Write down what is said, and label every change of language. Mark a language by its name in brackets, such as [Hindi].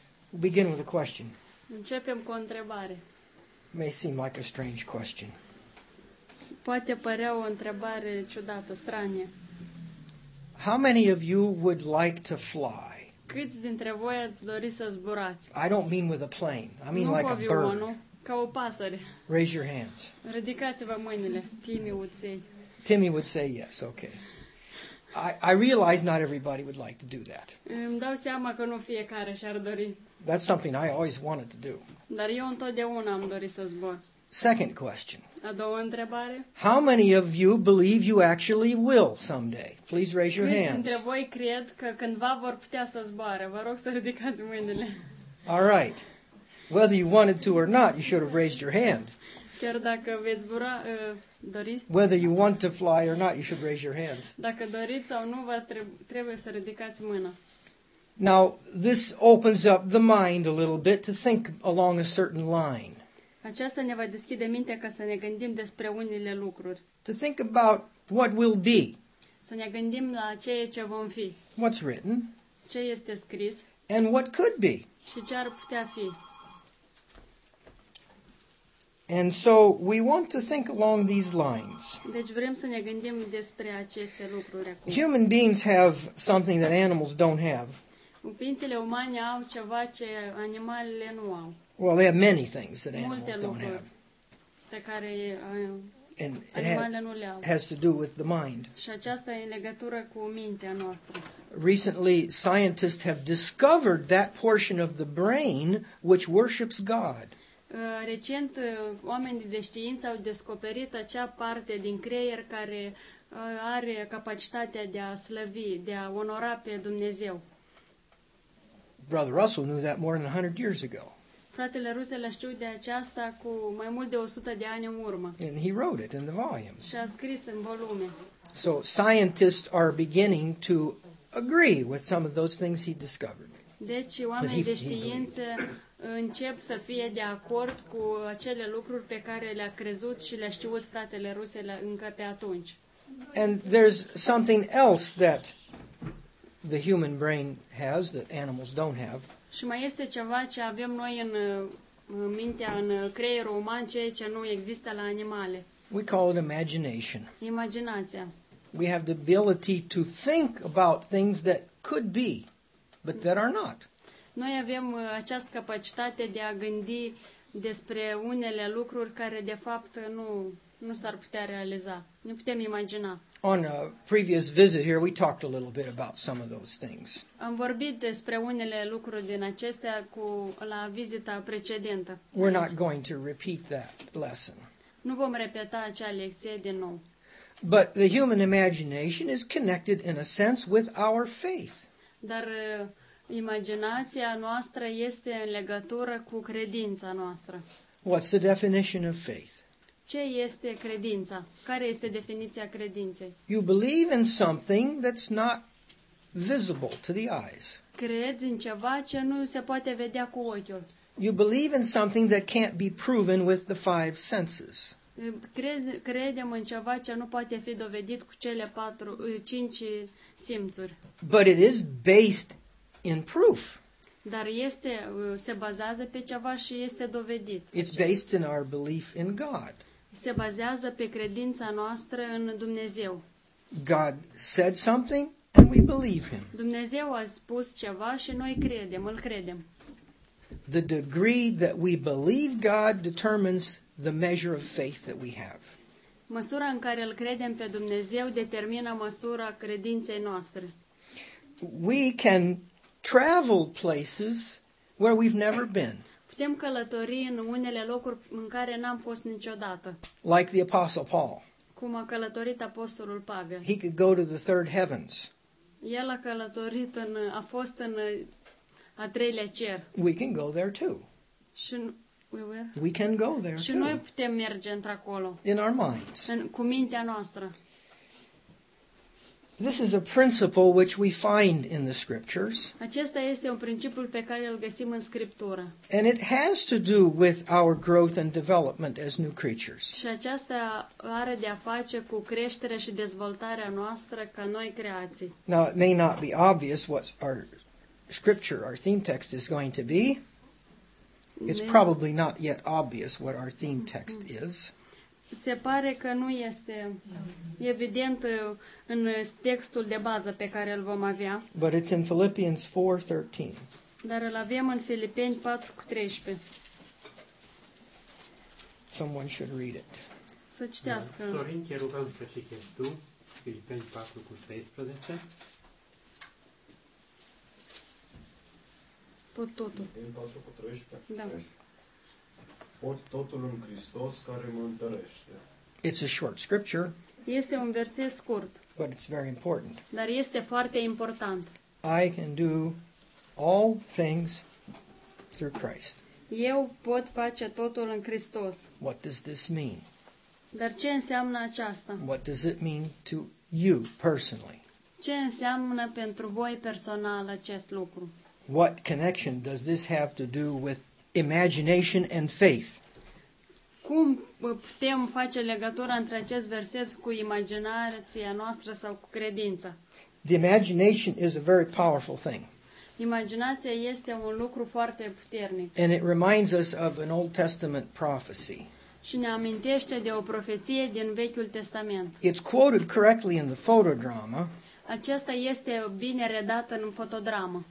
[English] We'll begin with a question. [Romanian] Începem cu o întrebare. [English] May seem like a strange question. [Romanian] Poate părea o întrebare ciudată, stranie. [English] How many of you would like to fly? [Romanian] Câți dintre voi ați dori să zburați? [English] I don't mean with a plane. I mean [Romanian] nu [English] like a bird. [Romanian] Nu cu avionul, ca o pasăre. [English] Raise your hands. [Romanian] Ridicați-vă mâinile. [English] Timmy would say. Timmy would say yes. Okay. I realize not everybody would like to do that. [Romanian] Îmi dau seama că nu fiecare și-ar dori. [English] That's something I always wanted to do. [Romanian] Dar eu întotdeauna am dorit să zbor. [English] Second question. [Romanian] A doua întrebare. [English] How many of you believe you actually will someday? Please raise your hands. [Romanian] Câți dintre voi cred că cândva vor putea să zboare? Vă rog să ridicați mâinile. [English] All right. Whether you wanted to or not, you should have raised your hand. [Romanian] Chiar dacă veți zbura, doriți. [English] Whether you want to fly or not, you should raise your hand. [Romanian] Dacă doriți sau nu, trebuie să ridicați mâna. [English] Now, this opens up the mind a little bit to think along a certain line. [Romanian] Aceasta ne va deschide mintea ca să ne gândim despre unele lucruri. [English] To think about what will be. [Romanian] Să ne gândim la ceea ce vom fi. [English] What's written. [Romanian] Ce este scris. [English] And what could be. [Romanian] Și ce ar putea fi. [English] And so we want to think along these lines. [Romanian] Deci vrem să ne gândim despre aceste lucruri acum. [English] Human beings have something that animals don't have. [Romanian] Ființele umane au ceva ce animalele nu au. [English] Well, they have many things that animals don't have. [Romanian] Pe care animalele nu le au. [English] Has to do with the mind. [Romanian] Și aceasta e în legătură cu mintea noastră. [English] Recently, scientists have discovered that portion of the brain which worships God. [Romanian] Recent, oamenii de știință au descoperit acea parte din creier care are capacitatea de a slăvi, de a onora pe Dumnezeu. [English] Brother Russell knew that more than 100 years ago. [Romanian] Fratele Russell a știut de aceasta cu mai mult de 100 de ani în urmă. [English] And he wrote it in the volumes. [Romanian] Și a scris în volume. [English] So scientists are beginning to agree with some of those things he discovered. [Romanian] Deci oamenii de știință încep să fie de acord cu acele lucruri pe care le-a crezut și le-a știut fratele Russell încă pe atunci. [English] And there's something else that the human brain has that animals don't have. [Romanian] Și mai este ceva ce avem noi în mintea, în creierul uman, ceea ce nu există la animale. [English] We call it imagination. [Romanian] Imaginația. [English] We have the ability to think about things that could be, but that are not. [Romanian] Noi avem această capacitate de a gândi despre unele lucruri care de fapt nu s-ar putea realiza. Ne putem imagina. [English] On a previous visit here, we talked a little bit about some of those things. [Romanian] Am vorbit despre unele lucruri din acestea cu la vizita precedentă. [English] We're not going to repeat that lesson. [Romanian] Nu vom repeta acea lecție din nou. [English] But the human imagination is connected in a sense with our faith. [Romanian] Dar imaginația noastră este în legătură cu credința noastră. [English] What's the definition of faith? [Romanian] Ce este credința? Care este definiția credinței? [English] You believe in something that's not visible to the eyes. [Romanian] Crezi în ceva ce nu se poate vedea cu ochiul. [English] You believe in something that can't be proven with the five senses. [Romanian] Credem în ceva ce nu poate fi dovedit cu cele cinci simțuri. [English] But it is based in proof. [Romanian] Dar este se bazează pe ceva și este dovedit. [English] It's based in our belief in God. [Romanian] Se bazează pe credința noastră în Dumnezeu. [English] God said something and we believe him. [Romanian] Dumnezeu a spus ceva și noi credem, îl credem. [English] The degree that we believe God determines the measure of faith that we have. [Romanian] Măsura în care îl credem pe Dumnezeu determină măsura credinței noastre. [English] We can travel places where we've never been. [Romanian] Putem călători în unele locuri în care n-am fost niciodată. [English] Like the Apostle Paul. [Romanian] Cum a călătorit Apostolul Pavel. [English] He could go to the third heavens. [Romanian] El a călătorit a fost în a treilea cer. [English] We can go there too. We can go there [Romanian] Și [English] too. [Romanian] Noi putem merge într-acolo. [English] In our minds. [Romanian] Cu mintea noastră. [English] This is a principle which we find in the scriptures. [Romanian] Acesta este un principiu pe care îl găsim în scriptură. [English] And it has to do with our growth and development as new creatures. [Romanian] Și aceasta are de a face cu creșterea și dezvoltarea noastră ca noi creații. [English] Now, it may not be obvious what our scripture, our theme text, is going to be. It's probably not yet obvious what our theme text is. [Romanian] Se pare că nu este evident în textul de bază pe care îl vom avea. [English] But it's in Philippians 4:13. [Romanian] Dar îl avem în Filipeni 4:13. [English] Someone should read it. [Romanian] Să citească. Sorin, te rugăm să citești tu Filipeni 4:13. Pot totul. Filipeni 4:13. Da. Pot totul în Hristos care mă întărește. [English] It's a short scripture. [Romanian] Este un verset scurt. [English] But it's very important. [Romanian] Dar este foarte important. [English] I can do all things through Christ. [Romanian] Eu pot face totul în Hristos. [English] What does this mean? [Romanian] Dar ce înseamnă aceasta? [English] What does it mean to you personally? [Romanian] Ce înseamnă pentru voi personal acest lucru? [English] What connection does this have to do with imagination and faith? [Romanian] Cum putem face legătura între acest verset cu imaginația noastră sau cu credința? [English] The imagination is a very powerful thing. [Romanian] Imaginația este un lucru foarte puternic. [English] And it reminds us of an Old Testament prophecy. [Romanian] Și ne amintește de o profeție din Vechiul Testament. [English] It's quoted correctly in the photodrama. [Romanian] Aceasta este bine redată în fotodramă.